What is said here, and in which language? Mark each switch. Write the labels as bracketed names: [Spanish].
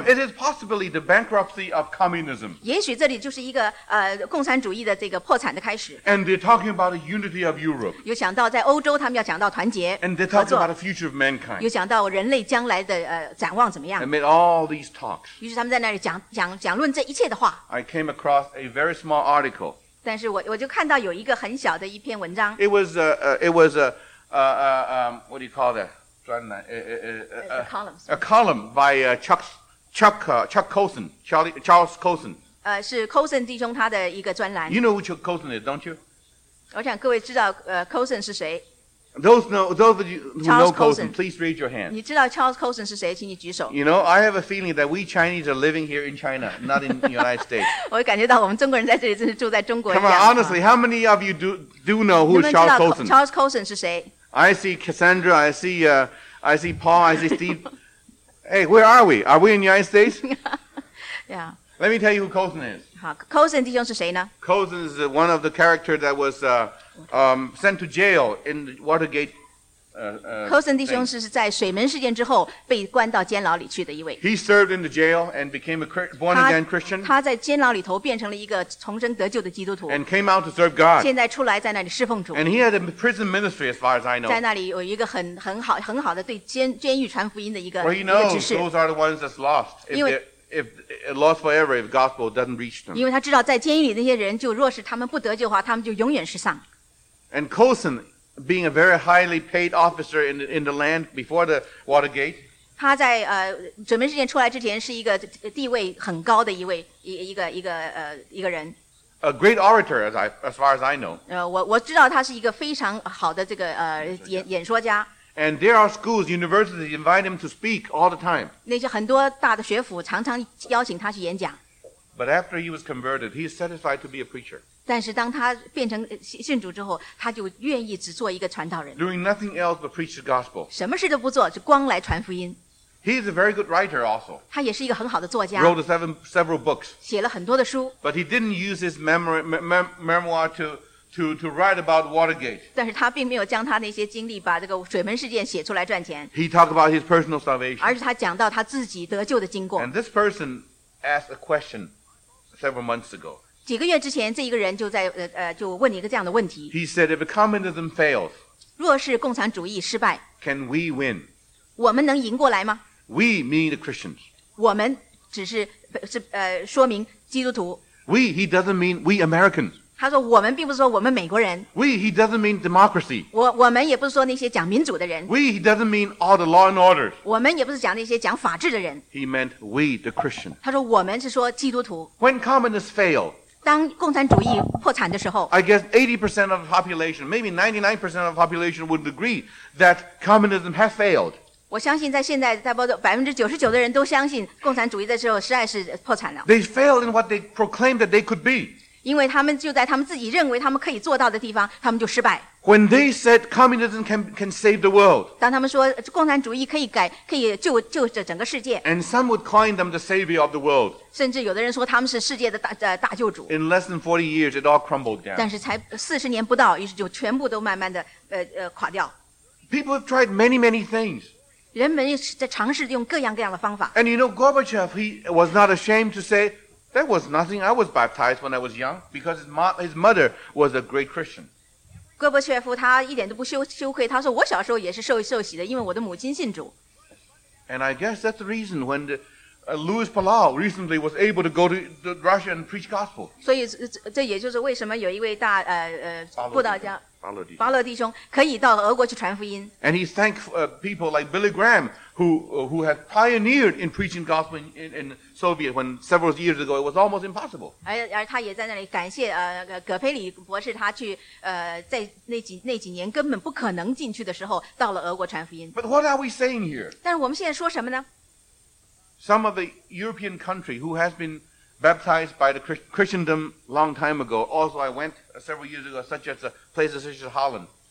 [English] Or it is possibly the bankruptcy of communism. [Chinese] 也许这里就是一个共产主义的这个破产的开始。 [English] And they're talking about the unity of Europe. [Chinese] 有想到在欧洲他们要讲到团结。 [English] And they're talking about the future of mankind. [Chinese] 有想到人类将来的展望怎么样。 [English] And made all these talks. [Chinese] 于是他们在那里讲论这一切的话。 [English] I came across a very small article. [Chinese] 但是我就看到有一个很小的一篇文章。 [English] It was a what do you call that? [Chinese] 专栏 [English] a column by Chuck Colson, Charles Colson. [Chinese] 是 Colson 弟兄他的一个专栏。 [English] You know who Chuck Colson is, don't you? [Chinese] 我想各位知道Colson 是谁。 [English] Those of you who know Colson, please raise your hand. [Chinese] 你知道 Charles Colson 是谁，请你举手。 [English] You know, I have a feeling that we Chinese are living here in China, not in the United States. [Chinese] 我感觉到我们中国人在这里真是住在中国一样。 [English] Come on, honestly, how many of you do know who is Charles Colson? [Chinese] 你们知道 Charles Colson 是谁 [English] ？I see Cassandra, I see Paul, I see Steve. Hey, where are we? Are we in the United States? Yeah. Let me tell you who Colson is. [Chinese] 好 ，Colson 弟兄是谁呢 [English] ？Colson is one of the characters that was. Sent to jail in Watergate. [Chinese] Colson 弟兄是在水门事件之后被关到监牢里去的一位。 [English] He served in the jail and became a born again Christian. [Chinese] 他在监牢里头变成了一个重生得救的基督徒。 [English] And came out to serve God. [Chinese] 现在出来在那里侍奉主。 [English] And he had a prison ministry as far as I know. [Chinese] 在那里有一个很好的对监狱传福音的一个职事。 [English] Well, he knows those are the ones that's lost. If lost forever, if gospel doesn't reach them. [Chinese] 因为他知道在监狱里那些人，就若是他们不得救的话，他们就永远失丧。 [English] And Colson, being a very highly paid officer in the land before the Watergate, [Chinese] 他在准备事件出来之前是一个地位很高的一个人。 [English] A great orator, as far as I know. [Chinese] 我知道他是一个非常好的这个演说家。 [English] And there are schools, universities invite him to speak all the time. [Chinese] 那些很多大的学府常常邀请他去演讲。 [English] But after he was converted, he is satisfied to be a preacher. [Chinese] 但是当他变成信主之后，他就愿意只做一个传道人。 [English] Doing nothing else but preach the gospel. [Chinese] 什么事都不做，就光来传福音。 [English] He is a very good writer also. [Chinese] 他也是一个很好的作家。 [English] Wrote several books. [Chinese] 写了很多的书。 [English] But he didn't use his memoir to write about Watergate. [Chinese] 但是他并没有将他那些经历把这个水门事件写出来赚钱。 [English] He talked about his personal salvation. [Chinese] 而是他讲到他自己得救的经过。 [English] And this person asked a question several months ago. [Chinese] 几个月之前，这一个人就在就问了一个这样的问题。 [English] He said, "If communism fails, [Chinese] 若是共产主义失败 [English] ，Can we win? [Chinese] 我们能赢过来吗 [English] ？We mean the Christians. [Chinese] 我们只是说明基督徒。 [English] We he doesn't mean we Americans. [Chinese] 他说我们并不是说我们美国人。 [English] We he doesn't mean democracy. [Chinese] 我们也不是说那些讲民主的人。 [English] We he doesn't mean all the law and order. [Chinese] 我们也不是讲那些讲法治的人。 [English] He meant we the Christian. [Chinese] 他说我们是说基督徒。 [English] When communists fail. [Chinese] 当共产主义破产的时候 [English] I guess 80% of the population, maybe 99% of the population would agree that communism has failed. [Chinese] 我相信在现在差不多99%的人都相信共产主义的时候实在是破产了。 [English] They failed in what they proclaimed that they could be. [Chinese] 因为他们就在他们自己认为他们可以做到的地方他们就失败。 [English] When they said communism can save the world. [Chinese] 当他们说共产主义可以救整个世界。 [English] And some would claim them the savior of the world. [Chinese] 甚至有的人说他们是世界的 大救主。 [English] In less than 40 years, it all crumbled down. [Chinese] 但是才40年不到，于是就全部都慢慢的垮掉。 [English] People have tried many, many things. [Chinese] 人们在尝试用各样各样的方法。 [English] And you know, Gorbachev, he was not ashamed to say that was nothing. I was baptized when I was young because his mother was a great Christian. [Chinese] 戈伯切夫他一点都不羞愧，他说我小时候也是受洗的，因为我的母亲信主。 [English] And I guess that's the reason when Louis Palau recently was able to go to Russia and preach gospel. [Chinese] 所以这也就是为什么有一位大布道家巴勒弟兄可以到俄国去传福音。 [English] And he thanked people like Billy Graham who had pioneered in preaching gospel in Soviet when several years ago it was almost impossible. [Chinese] 而他也在那里感谢葛培里博士他去在那几年根本不可能进去的时候到了俄国传福音。 [English] But what are we saying here? [Chinese] 但是我们现在说什么呢？ [English] Some of the European country who has been baptized by the Christendom long time ago, also I went several years ago, such as places such as Holland.